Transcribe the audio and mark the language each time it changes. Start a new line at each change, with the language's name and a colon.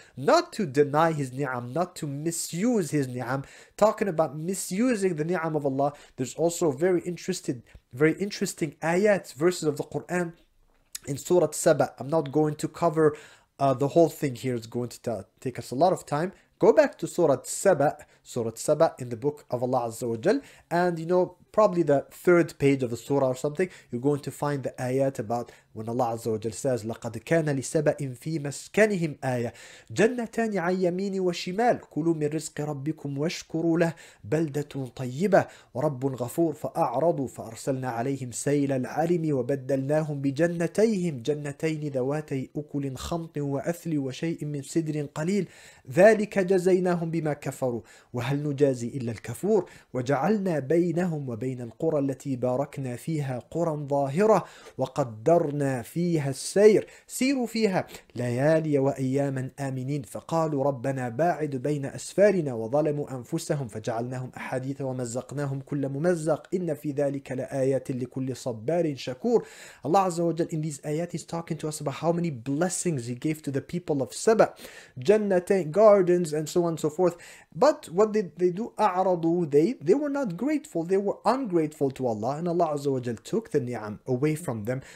English: Not to deny his ni'am, not to misuse his ni'am. Talking about misusing the ni'am of Allah, there's also very interesting ayat, verses of the Quran in Surah Saba. I'm not going to cover the whole thing here. Is going to take us a lot of time. go back to Surah Saba in the book of Allah Azza wa Jal, and you know, probably the third page of the surah or something, you're going to find the ayat about when Allah Azza wa Jal says,
Arabic: لَقَدْ كَانَ لِسَبَئٍ فِي مَسْكَنِهِمْ آيَةٍ جَنَّتَانِ عَنْ يَمِينِ وَشِمَالٍ كُلُوا مِنْ رِزْقِ رَبِّكُمْ وَاشْكُرُوا لَهُ بَلْدَةٌ طَيِّبَةٌ وَرَبٌّ غَفُورٌ فَأَعْرَضُوا فَأَرْسَلْنَا عَلَيْهِمْ سَيْلَ الْعَرِمِ وَبَدَّلْنَاهُمْ بِجَنَّتَيْهِمْ جَنَّتَيْنِ ذَوَاتَيْ أُكُلٍ خَمْطٍ وَأَثْلٍ وَشَيْءٍ مِنْ سِدْرٍ قَلِيلٍ ذَلِكَ جَزَيْنَاهُمْ بِمَا كَفَرُوا وَهَلْ نُجَازِي إِلَّا الْكَفُورُ وَجَعَلْنَا بَيْنَهُمْ وَبَيْنَ الْقُرَى الَّتِي بَارَكْنَا فِيهَا قُرًى ظَاهِرَةً وَقَدَّرْنَا فيها السير سيروا فيها ليالي وأياما آمنين فقالوا ربنا باعد بين أسفارنا وظلموا أنفسهم فجعلناهم أحاديث ومزقناهم كل ممزق إن في ذلك لآيات لكل صبار شكور.
English: Allah عز وجل in these ayat is talking to us about how many blessings he gave to the people of Saba, jannatain, gardens and so on and so forth, but what did they do? أعرضوا, they were not grateful, they were ungrateful to Allah, and Allah عز وجل took the ni'am away from them.